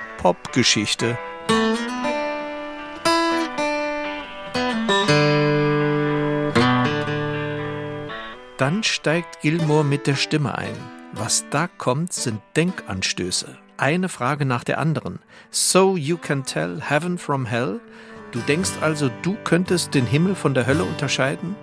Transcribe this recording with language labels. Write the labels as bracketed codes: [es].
[de] Popgeschichte. Dann steigt Gilmour mit der Stimme ein. Was da kommt, sind Denkanstöße. Eine Frage nach der anderen. [en] So you can tell heaven from hell? [de] Du denkst also, du könntest den Himmel von der Hölle unterscheiden?